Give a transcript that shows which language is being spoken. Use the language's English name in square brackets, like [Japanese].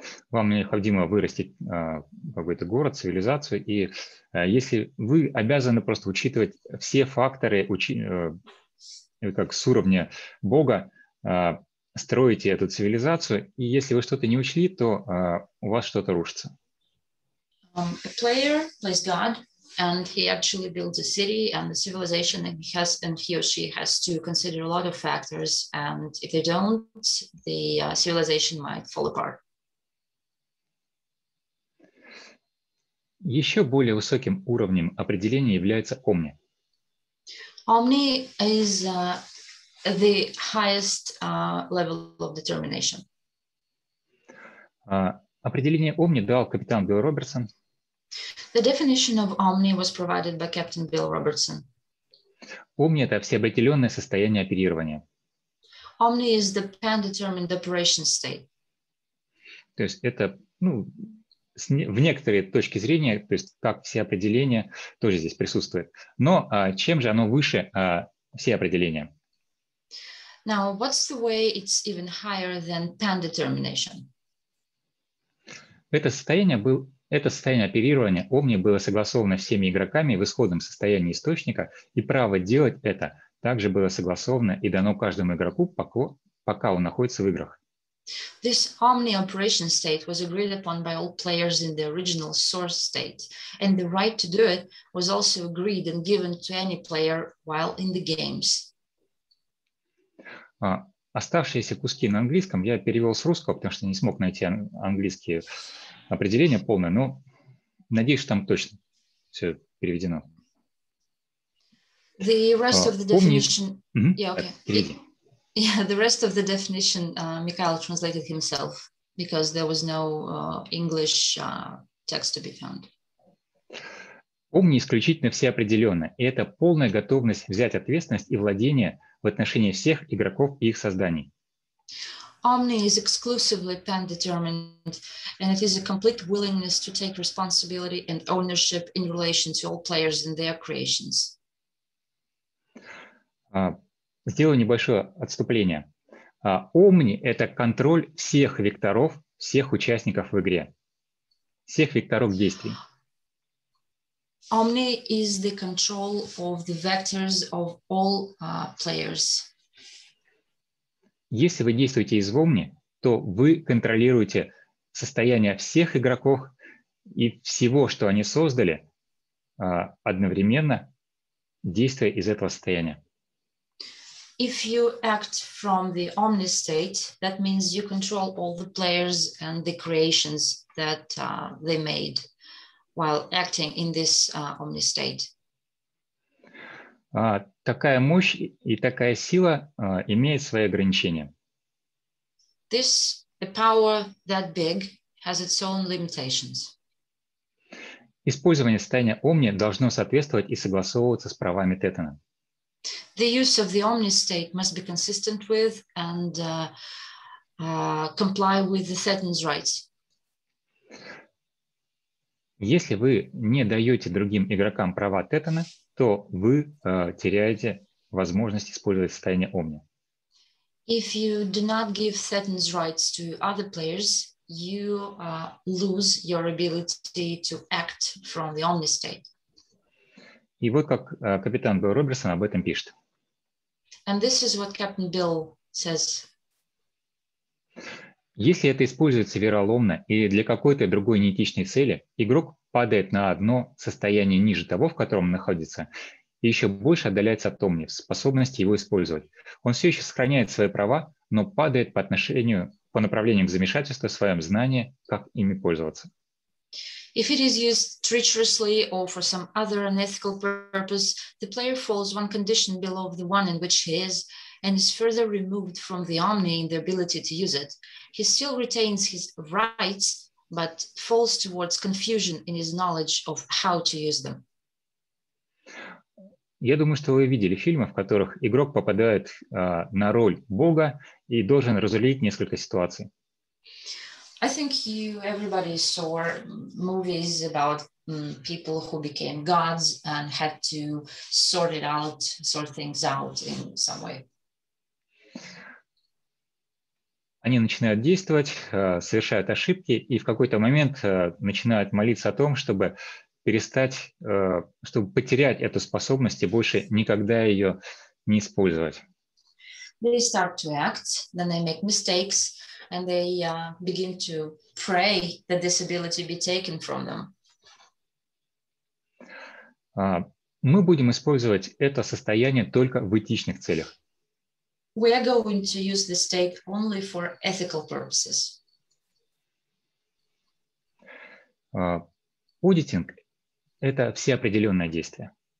[Russian] Вам необходимо вырастить какой-то город, цивилизацию, и если вы обязаны просто учитывать все факторы, как с уровня Бога, строите эту цивилизацию, и если вы что-то не учли, то у вас что-то рушится. [English] A player plays God. And he actually builds a city and a civilization, and he or she has to consider a lot of factors. And if they don't, the civilization might fall apart. [Russian] Еще более высоким уровнем определения является Omni. [English] Omni is the highest level of determination. [Russian] Определение Omni дал капитан Билл Робертсон. [English] The definition of Omni was provided by Captain Bill Robertson. [Russian] Omni – это всеопределенное состояние оперирования. [English] Omni is the pan-determined operation state. [Russian] То есть это, в некоторые точки зрения, то есть как всеопределение, тоже здесь присутствует. Но чем же оно выше всеопределения? [English] Now, what's the way it's even higher than pan-determination? [Russian] Это состояние оперирования Omni было согласовано всеми игроками в исходном состоянии источника, и право делать это также было согласовано и дано каждому игроку, пока он находится в играх. [English] This Omni operation state was agreed upon by all players in the original source state, and the right to do it was also agreed and given to any player while in the games. [Russian] Оставшиеся куски на английском я перевел с русского, потому что не смог найти английские определение полное, но надеюсь, что там точно все переведено. [English] The rest of the definition. The rest of the definition Mikhail translated himself, because there was no English text to be found. [Russian] Omni исключительно всеопределенно, и это полная готовность взять ответственность и владение в отношении всех игроков и их созданий. [English] Omni is exclusively pan-determined, and it is a complete willingness to take responsibility and ownership in relation to all players and their creations. [Russian] Сделаю небольшое отступление. Omni – это контроль всех векторов всех участников в игре, всех векторов действий. [English] Omni is the control of the vectors of all players. [Russian] Если вы действуете из Omni, то вы контролируете состояние всех игроков и всего, что они создали, одновременно действуя из этого состояния. [English] If you act from the Omni state, that means you control all the players and the creations that they made while acting in this Omni state. [Russian] Такая мощь и такая сила имеет свои ограничения. [English] This a power that big has its own limitations. [Russian] Использование состояния Omni должно соответствовать и согласовываться с правами Тетана. [English] The use of the Omni state must be consistent with and comply with the Tetan's rights. [Russian] Если вы не даете другим игрокам права Тетана, то вы теряете возможность использовать состояние Omni. [English] If you do not give Tetan's rights to other players, you lose your ability to act from the Omni state. [Russian] И вот как капитан Билл Робертсон об этом пишет. [English] And this is what Captain Bill says. [Russian] Если это используется вероломно или для какой-то другой неэтичной цели, игрок падает на одно состояние ниже того, в котором он находится, и еще больше отдаляется от Omni в способности его использовать. Он все еще сохраняет свои права, но падает по отношению, по направлению к замешательству в своем знании, как ими пользоваться. [English] If it is used treacherously or for some other unethical purpose, the player falls one condition below the one in which he is and is further removed from the Omni in the ability to use it. He still retains his rights, but falls towards confusion in his knowledge of how to use them. [Russian] Я думаю, что вы видели фильмы, в которых игрок попадает на роль Бога и должен разрулить несколько ситуаций. [English] I think everybody saw movies about people who became gods and had to sort things out in some way. [Russian] Они начинают действовать, совершают ошибки и в какой-то момент начинают молиться о том, чтобы перестать, чтобы потерять эту способность и больше никогда ее не использовать. [English] They start to act, then they make mistakes, and they begin to pray that this ability be taken from them. [Russian] Мы будем использовать это состояние только в этичных целях. [English] We are going to use the state only for ethical purposes. [Russian] Auditing – это всеопределенное действие.